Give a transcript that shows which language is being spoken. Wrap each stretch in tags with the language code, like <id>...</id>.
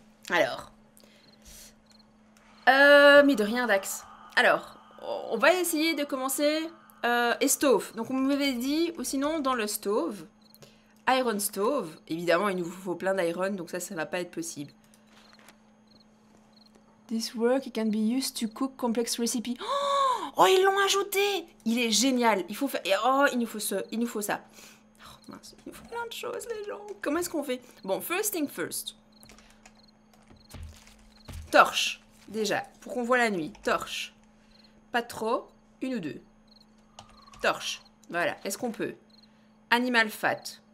<fr>Alors. Mais de rien, Dax. Alors, on va essayer de commencer. Estove. Donc, on m'avait dit, ou sinon, dans le stove. Iron stove. Évidemment, il nous faut plein d'iron, donc ça va pas être possible.</fr> <en>This work it can be used to cook complex recipe.</en> <fr>Oh, ils l'ont ajouté! Il est génial. Il faut faire. Oh, il nous faut ce. Il nous faut ça. Oh, mince, il nous faut plein de choses, les gens. Comment est-ce qu'on fait? Bon,</fr> <en>first thing first.</en> <fr>Torche. Déjà, pour qu'on voie la nuit. Torche. Pas trop. Une ou deux. Torche. Voilà. Est-ce qu'on peut? Animal fat.</fr>